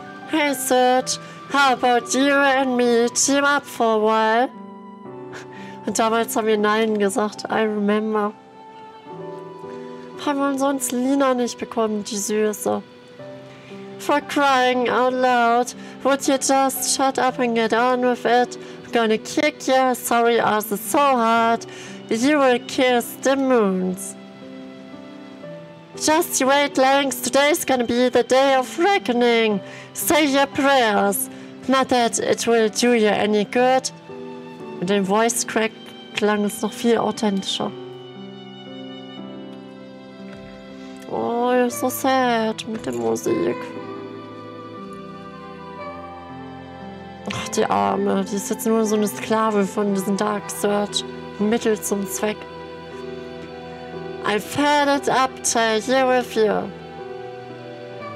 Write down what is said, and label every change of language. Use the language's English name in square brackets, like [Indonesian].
[English] Hey, Search, how about you and me team up for a while? [German] Und damals haben wir Nein gesagt, [English] I remember. [German] Haben wir umsonst Lina nicht bekommen, die Süße? [English] For crying out loud, would you just shut up and get on with it? I'm gonna kick your sorry asses so hard, you will kiss the moons. Just wait, Lynx, today's gonna be the day of reckoning. Say your prayers. Not that it will do you any good. [German] Mit dem Voice Crack klang es noch viel authentischer. [English] Oh, you're so sad [German] mit der Musik. Ach, die Arme, die ist jetzt nur so eine Sklave von diesem Dark Search. Mittel zum Zweck. [English] I've had it up to here with you.